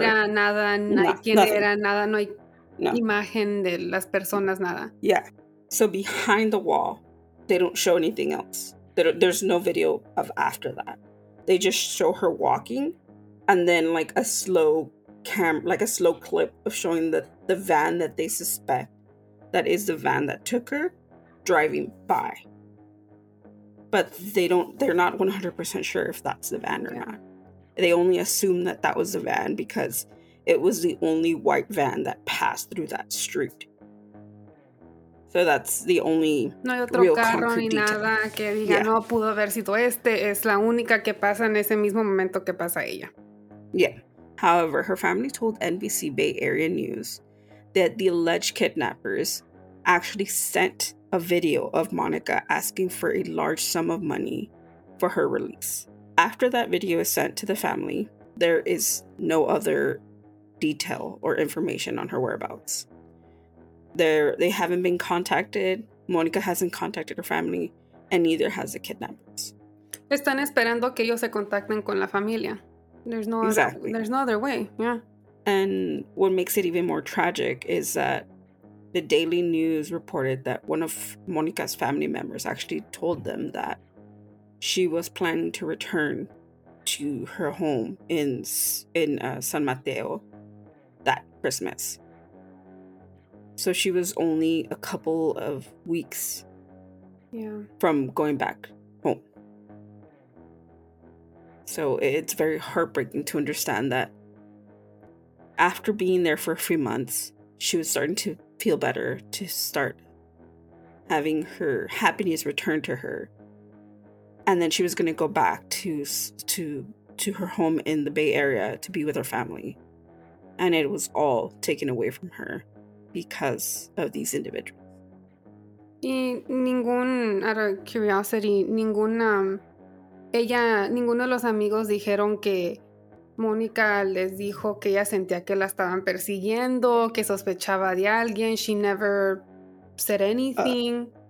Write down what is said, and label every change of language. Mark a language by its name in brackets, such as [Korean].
[Spanish] No se mira nada, nada, no hay imagen de las personas, nada. [English] Yeah. So behind the wall, they don't show anything else. There's no video of after that. They just show her walking, and then like a slow cam, like a slow clip of showing the van that they suspect that is the van that took her driving by. But they're not 100% sure if that's the van or not. They only assume that that was the van because it was the only white van that passed through that street. So that's the only [Spanish] no hay otro [English] real [Spanish] carro ni nada que diga no pudo haber sido este, es la única que pasa en ese mismo momento que pasa ella. [English] Yeah. However, her family told NBC Bay Area News that the alleged kidnappers actually sent a video of Monica asking for a large sum of money for her release. After that video is sent to the family, there is no other detail or information on her whereabouts. They haven't been contacted. Monica hasn't contacted her family, and neither has the kidnappers. [Spanish] Están esperando que ellos se contacten con la familia. [English] There's no other way. Yeah. And what makes it even more tragic is that the Daily News reported that one of Monica's family members actually told them that she was planning to return to her home in San Mateo that Christmas. So she was only a couple of weeks from going back home. So it's very heartbreaking to understand that after being there for a few months, she was starting to feel better, to start having her happiness return to her. And then she was going to go back to her home in the Bay Area to be with her family. And it was all taken away from her because of these individuals. [Spanish] Y ningún, [English] out of curiosity, [Spanish] ninguno de los amigos dijeron que Mónica les dijo que ella sentía que la estaban persiguiendo, que sospechaba de alguien. [English] She never said anything.